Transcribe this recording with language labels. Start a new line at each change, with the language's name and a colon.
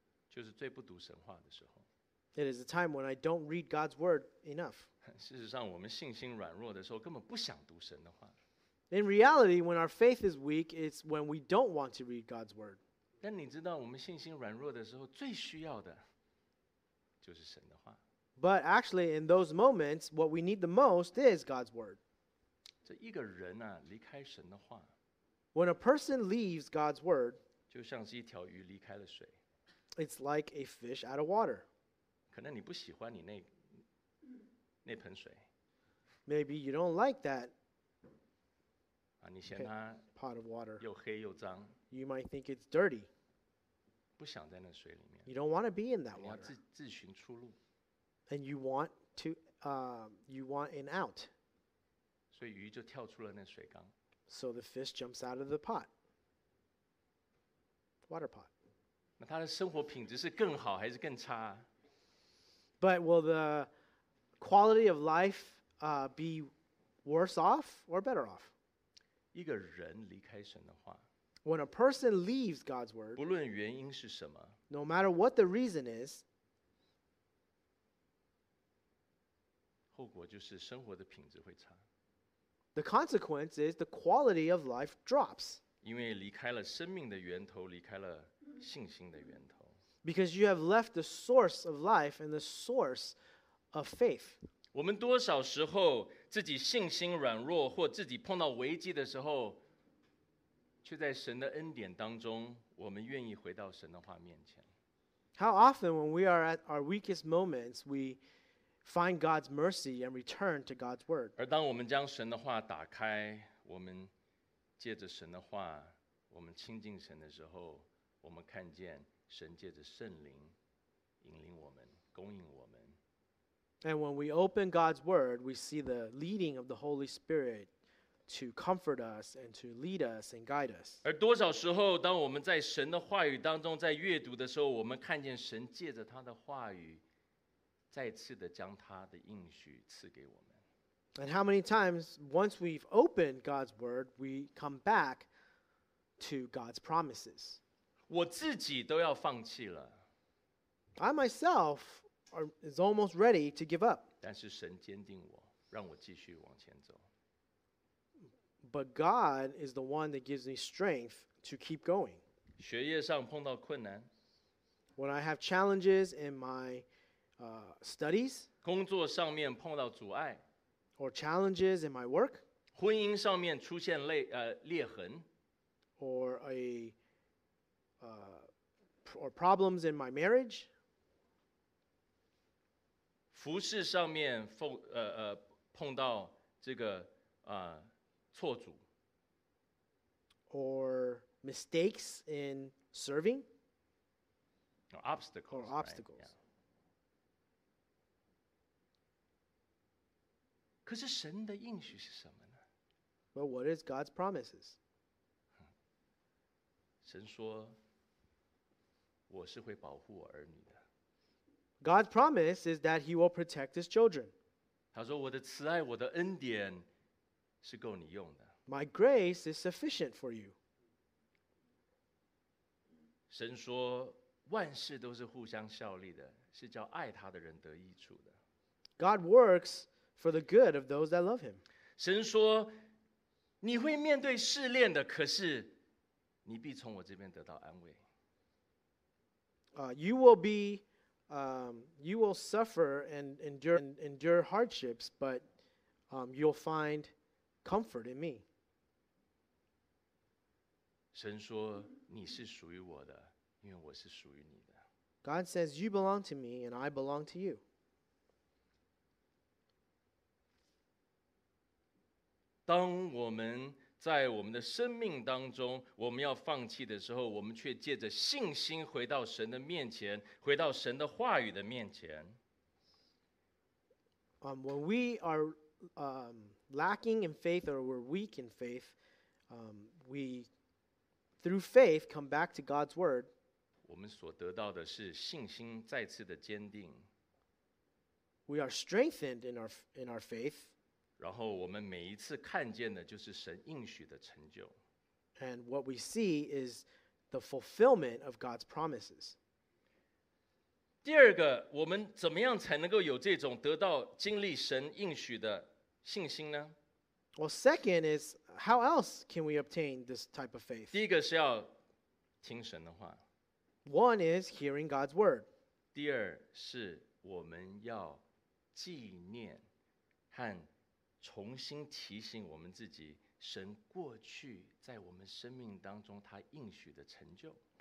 Chinese: 就是最不读神话的时候。
English: It is a time when I don't read God's word enough.
Chinese: 事实上，我们信心软弱的时候，根本不想读神的话。
English: In reality, when our faith is weak, it's when we don't want to read God's word.
Chinese: 但你知道，我们信心软弱的时候，最需要的就是神的话。
English: But actually, in those moments, what we need the most is God's word.
Chinese: 这一个人啊，离开神的话。
English: When a person leaves God's word,
Chinese: 就像是一条鱼离开了水。
English: It's like a fish out of water.
Chinese: 可能你不喜欢你那盆水。
English: Maybe you don't like that.
Chinese: 啊，你嫌它
English: pot of water
Chinese: 又黑又脏。
English: You might think it's dirty.
Chinese: 不想在那水里面。
English: You don't want to be in that water.
Chinese: 你要自寻出路。
English: And you want an out.
Chinese: 所以鱼就跳出了那水缸。
English: So the fish jumps out of the pot. Water pot.
Chinese: 那他的生活品质是更好还是更差？
English: But will the quality of life be worse off or better off?
Chinese: 一个人离开神的话，
English: When a person leaves God's word,
Chinese: 不论原因是什么，
English: No matter what the reason is,
Chinese: 后果就是生活的品质会差。
English: The consequence is the quality of life drops.
Chinese: 因为离开了生命的源头，离开了信心的源头。
English: Because you have left the source of life and the source of faith.
Chinese: 我们多少时候自己信心软弱或自己碰到危机的时候，却在神的恩典当中，我们愿意回到神的话面前。
English: How often when we are at our weakest moments, we find God's mercy and return to God's word.
Chinese: 而当我们将神的话打开，我们借着神的话，我们亲近神的时候，我们看见神借着圣灵引领我们，供应我们。
English: And when we open God's word, we see the leading of the Holy Spirit to comfort us and to lead us and guide us.
Chinese: 而多少时候，当我们在神的话语当中在阅读的时候，我们看见神借着他的话语，再次的将他的应许赐给我们。
English: And how many times, once we've opened God's word, we come back to God's promises.
Chinese: 我自己都要放弃了。
English: I myself is almost ready to give up.
Chinese: 但是神坚定我，让我继续往前走。
English: But God is the one that gives me strength to keep going.
Chinese: 学业上碰到困难。
English: When I have challenges in my studies.
Chinese: 工作上面碰到阻碍。
English: Or challenges in my work.
Chinese: 婚姻上面出现裂痕。
English: Or problems in my marriage.
Chinese: 服事上面碰到这个错组。
English: Or mistakes in serving. Or obstacles. Or obstacles. Right?
Chinese: Yeah. 可是神的应许是什么呢？
English: Well, what is God's promises?
Chinese: 神说我是会保护我儿女的。
English: God's promise is that He will protect His children.
Chinese: 他说我的慈爱，我的恩典是够你用的。
English: My grace is sufficient for you.
Chinese: 神说万事都是互相效力的，是叫爱他的人得益处的。
English: God works for the good of those that love Him.
Chinese: 神说你会面对试炼的，可是你必从我这边得到安慰。
English: You will be, you will suffer and endure hardships, but you'll find comfort in me.
Chinese: 神说你是属于我的，因为我是属于你的。
English: God says you belong to me, and I belong to you.
Chinese: 当我们在我们的生命当中，我们要放弃的时候，我们却借着信心回到神的面前，回到神的话语的面前。
English: When we are lacking in faith or we're weak in faith, we through faith come back to God's word.
Chinese: 我们所得到的是信心再次的坚定。
English: We are strengthened in our faith.
Chinese: 然后我们每一次看见的就是神应许的成就。
English: And what we see is the fulfillment of God's promises.
Chinese: 第二个，我们怎么样才能够有这种得到经历神应许的信心呢？
English: Well, second is how else can we obtain this type of faith?
Chinese: 第一个是要听神的话。
English: One is hearing God's word.
Chinese: 第二是我们要纪念和重新提醒我们自己，神过去在我们生命当中他应许的成就。